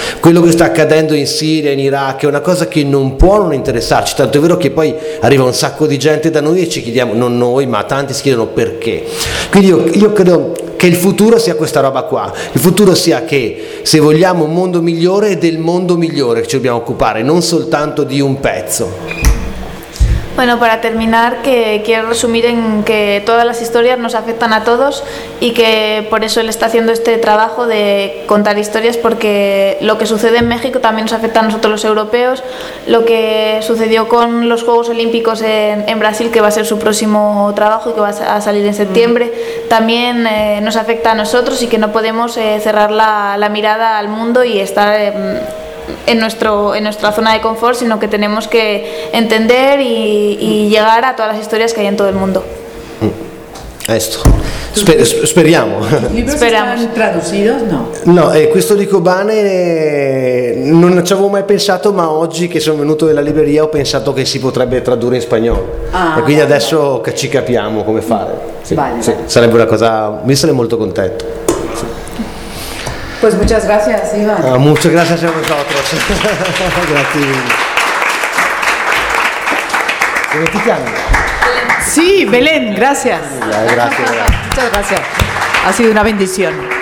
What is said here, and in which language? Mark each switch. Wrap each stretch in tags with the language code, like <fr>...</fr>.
<it>Quello che sta accadendo in Siria, in Iraq, è una cosa che non può non interessarci, tanto è vero che poi arriva un sacco di gente da noi e ci chiediamo, non noi ma tanti si chiedono perché. Quindi io credo che il futuro sia questa roba qua, il futuro sia che se vogliamo un mondo migliore, è del mondo migliore che ci dobbiamo occupare, non soltanto di un pezzo.</it> <es>Bueno, para terminar, que quiero resumir en que todas las historias nos afectan a todos, y que por eso él está haciendo este trabajo de contar historias, porque lo que sucede en México también nos afecta a nosotros los europeos, lo que sucedió con los Juegos Olímpicos en Brasil, que va a ser su próximo trabajo y que va a salir en septiembre, también nos afecta a nosotros, y que no podemos cerrar la mirada al mundo y estar en nuestra zona de confort, sino que tenemos que entender y llegar a todas las historias que hay en todo el mundo. Esto.</es> <it>Speriamo. Speriamo.</it> <es>Están traducidos, no.</es> <it>No, questo di Kobane non ci avevo mai pensato, ma oggi che sono venuto della libreria ho pensato che si potrebbe tradurre in spagnolo. Ah, e quindi adesso che ci capiamo come fare. Sì, vale. Sì, sarebbe una cosa, mi sarei molto contento.</it> <es>Pues muchas gracias, Iván. Muchas gracias a vosotros. Gracias. ¿Cómo te llamas? Sí, Belén, gracias. Gracias. Muchas gracias. Ha sido una bendición.</es>